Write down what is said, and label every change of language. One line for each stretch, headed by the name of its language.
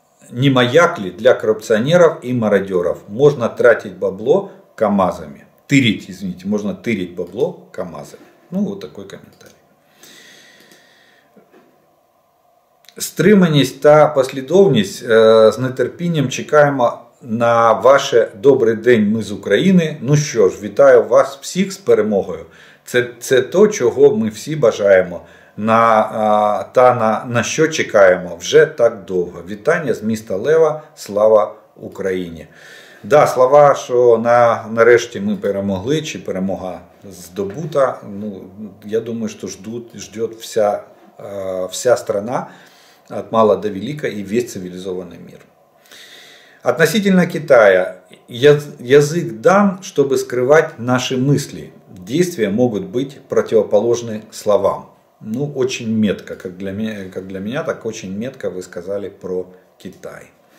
Russian: не маяк ли для коррупционеров и мародеров? Можно тратить бабло КАМАЗами. Тырить, извините, можно тырить бабло КАМАЗами. Ну, вот такой комментарий.
Ukrainian: Стриманість та послідовність, з нетерпінням чекаємо на ваше «Добрий день, ми з України». Ну що ж, вітаю вас всіх з перемогою. Це то, чого ми всі бажаємо. На що чекаємо вже так довго. Вітання з міста Лева, слава Україні. Да, слова, що нарешті ми перемогли, чи перемога здобута.
Russian: Ну, я думаю,
Ukrainian: що
Russian: ждет вся страна, от мала до велика,
Ukrainian: і весь цивілізований
Russian: мир. Относительно Китая. Язык дан, чтобы скрывать наши мысли. Действия могут быть противоположны словам. Ну, очень метко, как для меня, так очень метко вы сказали про Китай.